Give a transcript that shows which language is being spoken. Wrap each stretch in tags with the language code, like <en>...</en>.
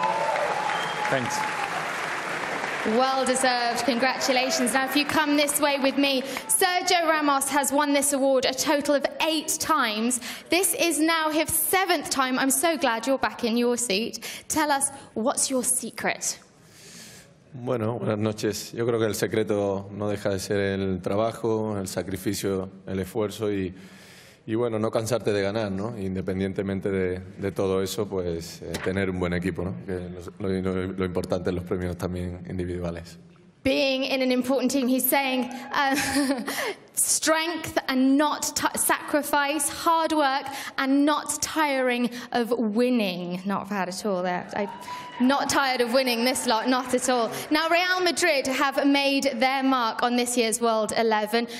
<en>Thanks. Well deserved. Congratulations. Now, if you come this way with me, Sergio Ramos has won this award a total of 8 times. This is now his 7th time. I'm so glad you're back in your seat. Tell us, what's your secret?</en> <es>Bueno, buenas noches. Yo creo que el secreto no deja de ser el trabajo, el sacrificio, el esfuerzo y... Y bueno, no cansarte de ganar, ¿no? Independientemente de todo eso, pues tener un buen equipo, ¿no? Que lo importante es los premios también individuales.</es> <en>Being in an important team, he's saying strength and not sacrifice, hard work and not tiring of winning. Not bad at all there. Not tired of winning this lot, not at all. Now, Real Madrid have made their mark on this year's World 11.</en>